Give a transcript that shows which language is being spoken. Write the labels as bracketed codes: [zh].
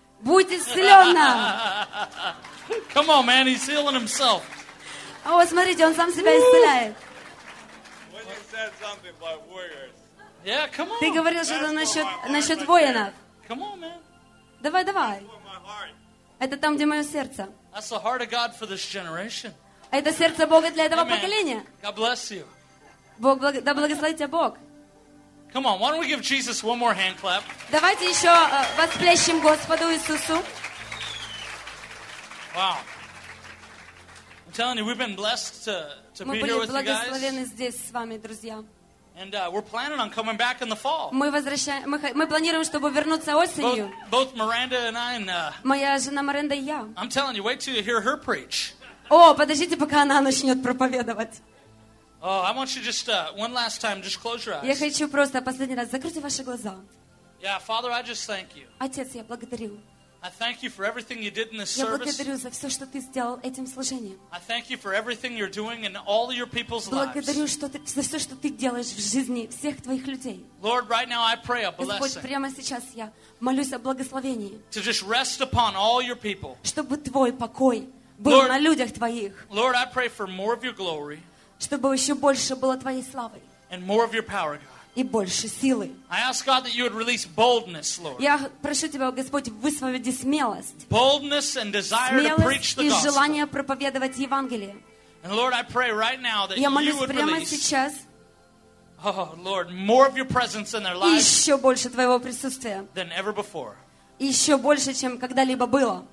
[ru] Будь исцелена. [en] Come on, man, he's healing himself. [ru] О, смотрите, он сам себя исцеляет. [en] When you said something about warriors. Yeah, come on. [ru] Ты говорил что-то насчет воинов. [en] Come on, man. [ru] Давай. Это там, где мое сердце. [en] That's the heart of God for this generation. [ru] Это сердце Бога для этого поколения. [en] God bless you. [ru] Бог да благословит тебя Бог. [en] Come on, why don't we give Jesus one more hand clap? [ru] Давайте еще восплещем Господу Иисусу. [en] Wow. I'm telling you, we've been blessed to be here with you guys. [ru] Мы были благословлены здесь с вами, друзья. [en] And we're planning on coming back in the fall. [ru] Мы планируем, чтобы вернуться осенью. [en] Both Miranda and I. [ru] Моя жена Миранда и я. [en] I'm telling you, wait till you hear her preach. [ru] О, подождите, пока она начнет проповедовать. [en] Oh, I want you just one last time, just close your eyes. [ru] Я хочу просто последний раз закройте ваши глаза. [en] Yeah, Father, I just thank you. [ru] Отец, я благодарю. [en] I thank you for everything you did in this service. [ru] Я благодарю за все, что ты сделал этим служением. [en] I thank you for everything you're doing in all your people's lives. [ru] Благодарю за все, что ты делаешь в жизни всех твоих людей. [en] Lord, right now I pray a blessing. [ru] Господь, прямо сейчас я молюсь о благословении. [en] To just rest upon all your people. [ru] Чтобы твой покой был на людях твоих. [en] Lord, I pray for more of your glory. [ru] Чтобы еще больше было твоей славы. [en] And more of your power, God. [ru] и больше силы. [en] I ask God that you would release boldness, Lord. [ru] Я прошу тебя, Господь, высвободи смелость. [en] Boldness and desire to preach the gospel. [ru] И желание проповедовать Евангелие. [en] And Lord, I pray right now that you would release. [ru] Сейчас, [en] oh Lord, more of your presence in their lives. [ru] Еще больше твоего присутствия. [en] Than ever before. [ru] Еще больше, чем когда-либо было.